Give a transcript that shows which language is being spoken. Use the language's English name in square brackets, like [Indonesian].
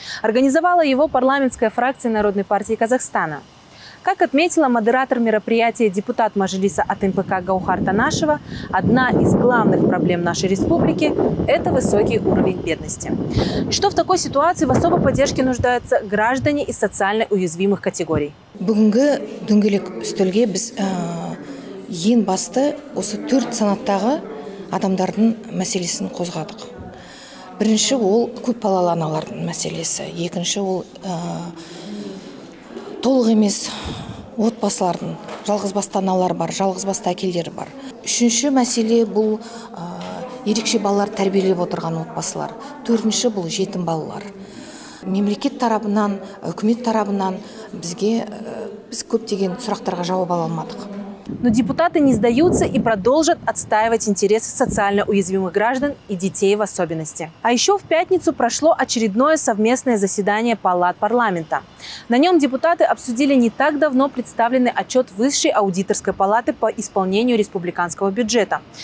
[Russian] Организовала его парламентская фракция Народной партии Казахстана. Как отметила модератор мероприятия депутат Мажилиса от МПК Гаухар Танашева, одна из главных проблем нашей республики – это высокий уровень бедности. И что в такой ситуации в особой поддержке нуждаются граждане из социально уязвимых категорий? [Kazakh] Бүгінгі дүңгелек үстелге біз ең басты осы төрт санаттағы адамдардың мәселесін қозғадық. Бірінші ол көп балалы аналардың мәселесі, екінші ол толық емес отбасылардың, жалғыз басты аналар бар, жалғыз басты әкелдері бар. Үшінші мәселе бұл ерекше балалар тәрбиелеп отырған отбасылар, төртінші бұл жетім балалар. Мемлекет тарапынан, үкімет тарапынан біз көптеген сұрақтарға жауап ала алмадық. [Russian] Но депутаты не сдаются и продолжат отстаивать интересы социально уязвимых граждан и детей в особенности. А еще в пятницу прошло очередное совместное заседание палат парламента. На нем депутаты обсудили не так давно представленный отчет Высшей аудиторской палаты по исполнению республиканского бюджета.